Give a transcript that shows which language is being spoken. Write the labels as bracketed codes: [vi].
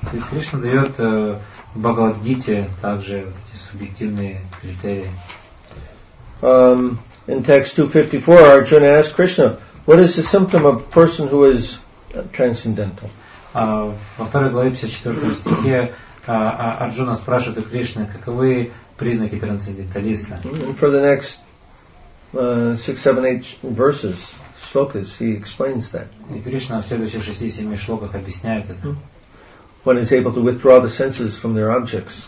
[ru] Кришна дает в Бхагавад-гите также эти субъективные критерии. [en] In text 254, Arjuna asked Krishna, what is the symptom of a person who is transcendental? [ru] Во второй главе 54 стихе Арджуна спрашивает у Кришны, каковы признаки трансценденталиста? [en] And for the next 6-7-8 verses, shlokas, he explains that. [ru] И Кришна в следующих 6-7 шлоках объясняет это. [en] One is able to withdraw the senses from their objects.